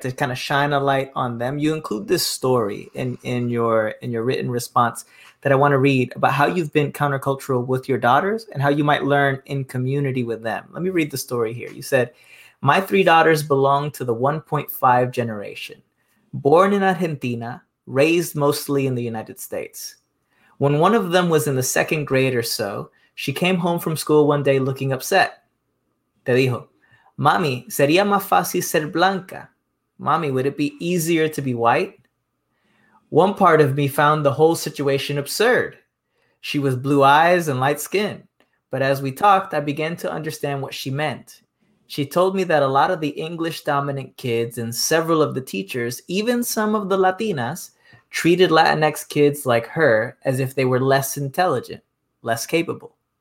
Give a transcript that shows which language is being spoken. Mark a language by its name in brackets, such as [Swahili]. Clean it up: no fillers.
[English] To kind of shine a light on them. You include this story in your written response that I want to read about how you've been countercultural with your daughters and how you might learn in community with them. Let me read the story here. You said, "My three daughters belong to the 1.5 generation, born in Argentina, raised mostly in the United States. When one of them was in the second grade or so, she came home from school one day looking upset. [Spanish] Te dijo, mami, sería más fácil ser blanca. [English] Mami, would it be easier to be white? One part of me found the whole situation absurd. She was blue eyes and light skin. But as we talked, I began to understand what she meant. She told me that a lot of the English dominant kids and several of the teachers, even some of the Latinas, treated Latinx kids like her as if they were less intelligent, less capable.